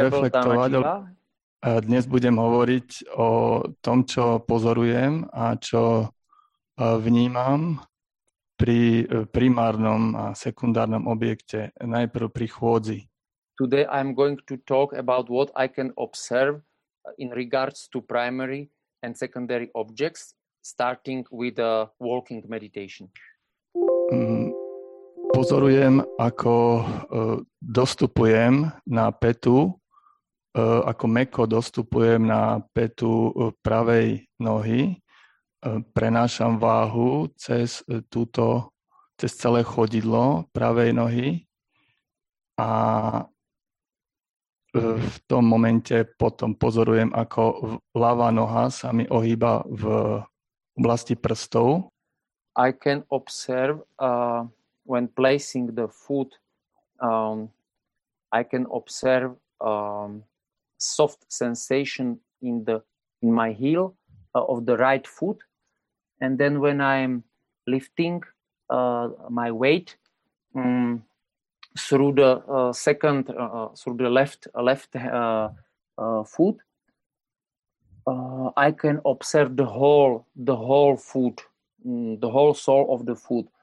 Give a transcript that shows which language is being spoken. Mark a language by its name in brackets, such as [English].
[Slovak] A dnes budem hovoriť o tom, čo pozorujem a čo vnímam pri primárnom a sekundárnom objekte, najprv pri chôdzi. [English] Today I'm going to talk about what I can observe in regards to primary and secondary objects, starting with the walking meditation. [Slovak] Pozorujem, ako dostupujem na petu, ako mäkko dostupujem na petu pravej nohy, prenášam váhu cez celé chodidlo pravej nohy a v tom momente potom pozorujem, ako ľavá noha sa mi ohýba v oblasti prstov. [English] I can observe when placing the foot, I can observe soft sensation in my heel of the right foot. And then when I'm lifting my weight through the second, through the left foot, I can observe the whole foot, the whole sole of the foot.